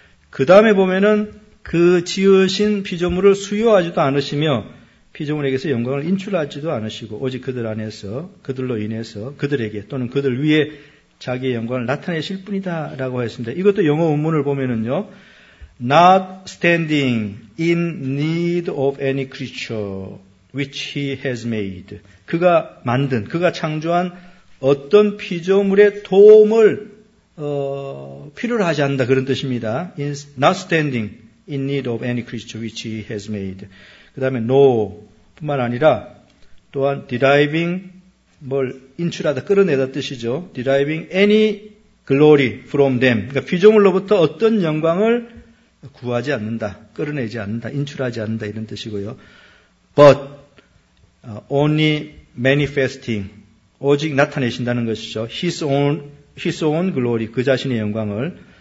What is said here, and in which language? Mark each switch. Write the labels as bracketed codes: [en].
[ko] 그 다음에 보면은 그 지으신 피조물을 수요하지도 않으시며 피조물에게서 영광을 인출하지도 않으시고 오직 그들 안에서 그들로 인해서 그들에게 또는 그들 위에 자기의 영광을 나타내실 뿐이다 라고 했습니다. 이것도 영어 원문을 보면은요. [en] Not standing in need of any creature which he has made. [ko] 그가 만든, 그가 창조한 어떤 피조물의 도움을 필요로 하지 않는다 그런 뜻입니다. [en] Not standing in need of any creature which he has made. [ko] 그 다음에 no 뿐만 아니라 또한 deriving 뭘 인출하다 끌어내다 뜻이죠. [en] Deriving any glory from them. [ko] 그러니까 피조물로부터 어떤 영광을 구하지 않는다. 끌어내지 않는다. 인출하지 않는다. 이런 뜻이고요. [en] But only manifesting. [ko] 오직 나타내신다는 것이죠. [en] His own glory. [ko] 그 자신의 영광을.